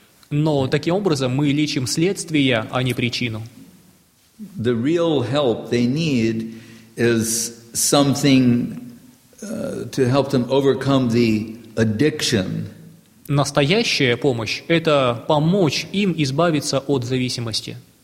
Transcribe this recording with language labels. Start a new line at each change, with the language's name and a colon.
Russian: Но таким образом мы лечим следствие, а не причину.
English: The real help they need is something to help them overcome the addiction.
Russian: Настоящая помощь – это помочь им избавиться от зависимости.